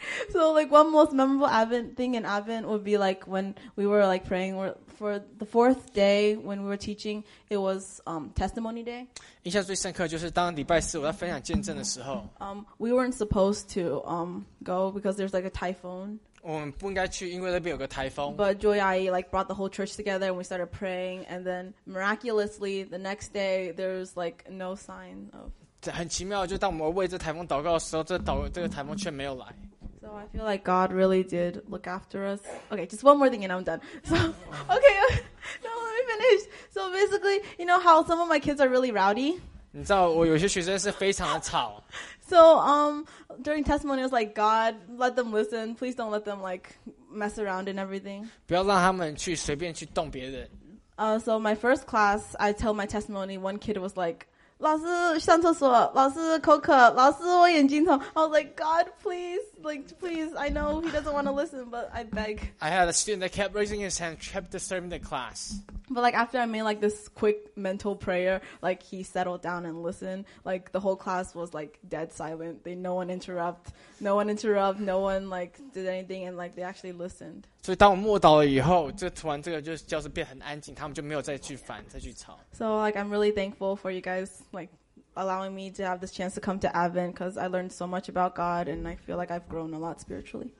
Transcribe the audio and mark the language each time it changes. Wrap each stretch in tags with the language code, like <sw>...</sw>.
<en>So, like, one most memorable Advent thing in Advent would be, like, when we were, like, praying for the fourth day when we were teaching, it was Testimony Day.</en> <zh>印象最深刻就是当礼拜四我在分享见证的时候。</zh> <en>We weren't supposed to go because there's, like, a typhoon.</en> <zh>我们不应该去，因为那边有个台风。</zh> <en>But Joy Ai, like, brought the whole church together and we started praying. And then, miraculously, the next day, there's, like, no sign of...</en> <zh>很奇妙，就当我们为这台风祷告的时候，这个台风却没有来。</zh> <en>So I feel like God really did look after us. Okay, just one more thing and I'm done. So, okay, no, let me finish. So basically, you know how some of my kids are really rowdy?</en> <zh>你知道我有些学生是非常的吵。</zh> <en>So, during testimony, I was like, God, let them listen. Please don't let them, like, mess around and everything.</en> <zh>不要让他们去随便去动别人。</zh> <en>So my first class, I tell my testimony, one kid was like,</en> <zh>老师上厕所，老师口渴，老师我眼睛痛。</zh> <en>I was like, God, please, like, please. I know he doesn't want to listen, but I beg. I had a student that kept raising his hand, kept disturbing the class. But like after I made like this quick mental prayer, like he settled down and listened. Like the whole class was like dead silent. No one interrupt. No one like did anything, and like they actually listened.</en> <zh>所以当我默祷了以后，就突然这个就是教室变很安静，他们就没有再去烦，再去吵。</zh> <en>So like I'm really thankful for you guys. Like allowing me to have this chance to come to Advent because I learned so much about God and I feel like I've grown a lot spiritually.</en>